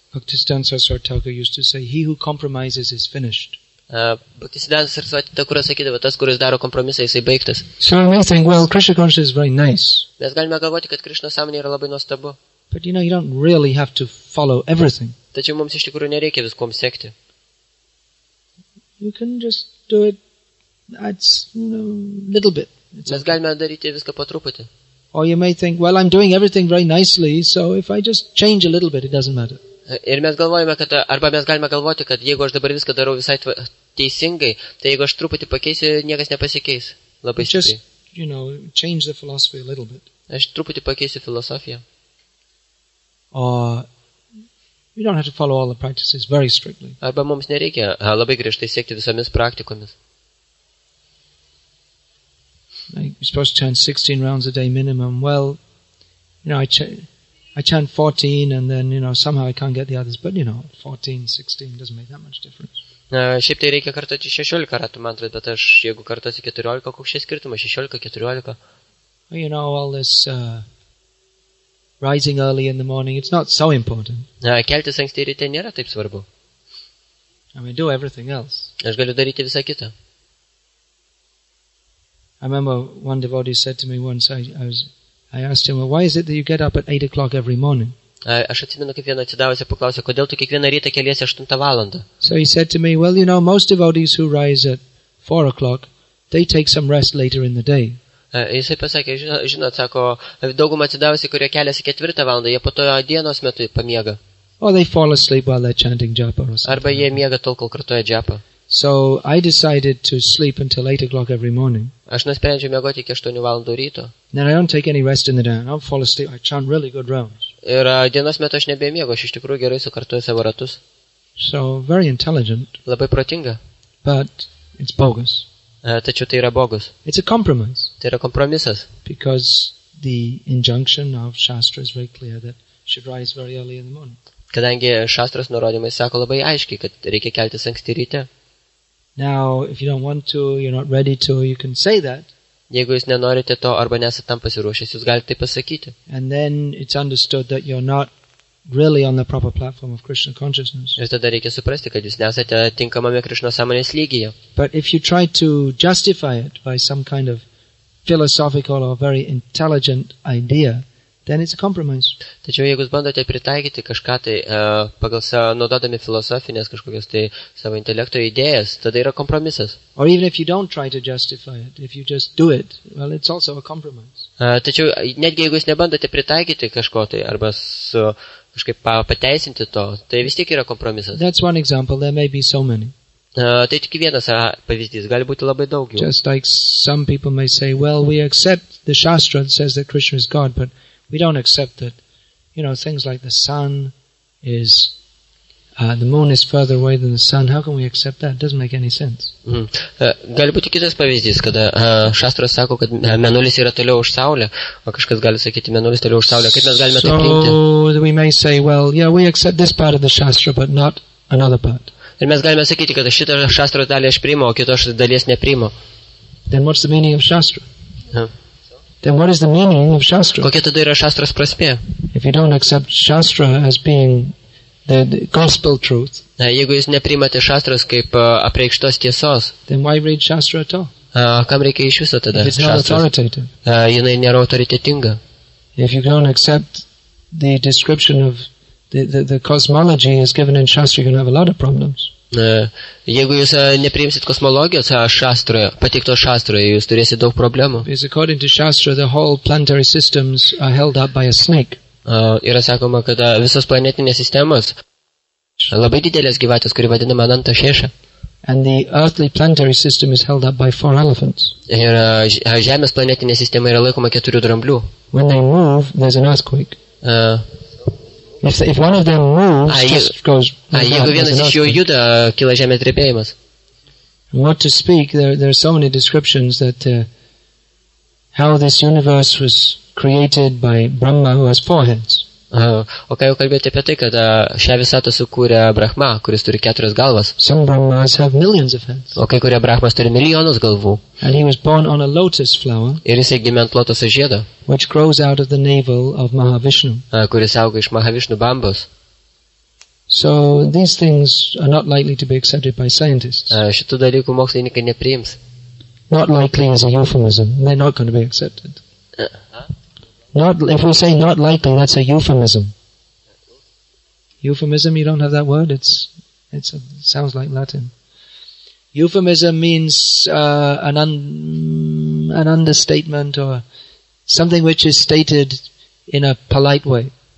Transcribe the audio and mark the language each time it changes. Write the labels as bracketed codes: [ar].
[en] Bhaktisiddhanta Sarasvatthakura used to say, he who compromises is finished. [lt] Bhaktisiddhanta Sarasvatthakura sakydavo, tas, kuris daro kompromisą, jisai baigtas. [en] So we think, well, Krishna consciousness is very nice. [lt] Mes galime galvoti, kad Krishna sąmonė yra labai nuostabu. [en] But you know, you don't really have to follow everything. [lt] Tačiau mums iš tikrųjų nereikia viskom sekti. [en] You can just do it, little bit. [lt] Mes galime daryti viską po truputį. [en] Or you may think, well, I'm doing everything very nicely, so if I just change a little bit, it doesn't matter. [lt] Ir mes galvojame, kad, arba mes galime galvoti, kad jeigu aš dabar viską darau visai teisingai, tai jeigu aš truputį pakeisiu, niekas nepasikeis. Labai stipriai. [en] Just, you know, change the philosophy a little bit. [lt] Aš truputį pakeisiu filosofiją. [en] You don't have to follow all the practices very strictly. [lt] Arba mums nereikia labai griežtai siekti visomis praktikomis. [en] I'm supposed to chant 16 rounds a day minimum. Well, you know, I chant 14 and then, you know, somehow I can't get the others. But, you know, 14, 16 doesn't make that much difference. [lt] Šiaip tai reikia kartoti 16 ratų mantrą, bet aš, jeigu kartosi 14, koks šis skirtumas? 16, 14? [en] Well, you know, all this rising early in the morning, it's not so important. [lt] Keltis anksti ryte nėra taip svarbu. [en] I mean, do everything else. [lt] Aš galiu daryti visą kitą. [en] I remember one devotee said to me once, I asked him, well, why is it that you get up at 8 o'clock every morning? [lt] Aš atsimenu, kaip vieną atsidavusią paklausė, kodėl tu kiekvieną rytą keliesi 8 valandą? [en] So he said to me, well, you know, most devotees who rise at 4 o'clock, they take some rest later in the day. [lt] Jisai pasakė, žinot, sako, daugumą atsidavusią, kurie keliasi 4 valandą, jie po to dienos metu pamiega. [en] Or they fall asleep while they're chanting japa or something. [lt] Arba jie miega tol, kol kartoja japa. [en] So I decided to sleep until 8 o'clock every morning. [lt] Aš nusprendžiau miegoti iki 8 valandų ryto. [en] Then I don't take any rest in the day. I don't fall asleep. I chant really good rounds. [lt] Ir dienos metu aš nebemiegu, aš iš tikrųjų gerai sukartuoju savo ratus. [en] So very intelligent. [lt] Labai protinga. [en] But it's bogus. [lt] Tačiau tai yra bogus. [en] It's a compromise. [lt] Tai yra kompromisas. [en] Because the injunction of Shastra is very clear that should rise very early in the morning. [lt] Kadangi Šastros nurodymai sako labai aiškiai, kad reikia keltis anksti ryte. [en] Now, if you don't want to, you're not ready to, you can say that. [lt] Jeigu jūs nenorite to arba nesat tam pasiruošęs, jūs galite tai pasakyti. [en] And then it's understood that you're not really on the proper platform of Krishna consciousness. [lt] Ir tada reikia suprasti, kad jūs nesate tinkamame Krishna sąmonės lygyje. [en] But if you try to justify it by some kind of philosophical or very intelligent idea, then it's a compromise. [lt] Tačiau jeigu jūs bandote pritaikyti kažką tai pagal savo naudodami filosofinės kažkokios tai savo intelekto idėjas, tada yra kompromisas. [en] Or even if you don't try to justify it, if you just do it, well, it's also a compromise. [lt] Tačiau netgi jeigu jūs nebandote pritaikyti kažko tai arba su kažkaip pateisinti to, tai vis tiek yra kompromisas. [en] That's one example, there may be so many. [lt] Tai tik vienas pavyzdys, gali būti labai daug. [en] Just like some people may say, well, we accept the Shastra that says that Krishna is God, but we don't accept that, you know, things like the sun is, the moon is further away than the sun. How can we accept that? It doesn't make any sense. [lt] Gali būti kitas pavyzdys, kada Šastras sako, kad mėnulis yra toliau už Saulę, o kažkas gali sakyti, mėnulis toliau už Saulę. Kaip mes galime tai priimti? [en] So we may say, well, yeah, we accept this part of the Shastra, but not another part. [lt] Ir mes galime sakyti, kad šitą Šastros dalį aš priimu, o kitos dalies neprimu. [en] Then what's the meaning of Shastra? Then what is the meaning of Shastra? [lt] Kokia tada yra Šastros prasmė? [en] If you don't accept Shastra as being the gospel truth, [lt] jeigu jūs nepriimate Šastros kaip apreikštos tiesos, [en] then why read Shastra at all? [lt] Kam reikia iš viso tada Šastros? [en] If it's not authoritative. [lt] Jinai nėra autoritetinga. [en] If you don't accept the description of the cosmology is given in Shastra, you're going to have a lot of problems. [lt] Jeigu jūs nepriimsit kosmologijos Šastroje, pateikto Šastroje, jūs turėsit daug problemų. [en] Because according to Shastra, the whole planetary systems are held up by a snake. [lt] Yra sakoma, kad visos planetinės sistemos labai didelės gyvatės, kuri vadinama Ananta Šeša. [en] And the earthly planetary system is held up by four elephants. [lt] Ir Žemės planetinė sistema yra laikoma keturių dramblių. [en] When they move, there's an earthquake. If one of them moves, just goes. [lt] Jeigu vienas iš jų juda, kyla žemės drebėjimas. [en] Not to speak, there are so many descriptions that how this universe was created by Brahma, who has four heads. [lt] O ką jau kalbėti apie tai, kad šią visatą sukūrė Brahma, kuris turi keturias galvas. [en] Some Brahmas have millions of heads. [lt] O kai kurie Brahmas turi milijonus galvų. [en] And he was born on a lotus flower. [lt] Ir jisai gimė ant lotoso žiedo. [en] Which grows out of the navel of Mahavishnu. [lt] Kuris auga iš Mahavishnu bambos. [en] So these things are not likely to be accepted by scientists. [lt] Šitų dalykų mokslininkai nepriims. [en] Not likely as a euphemism. They're not going to be accepted. Not, if we say not likely, that's a euphemism. Euphemism, you don't have that word? It sounds like Latin. Euphemism means an understatement or something which is stated in a polite way.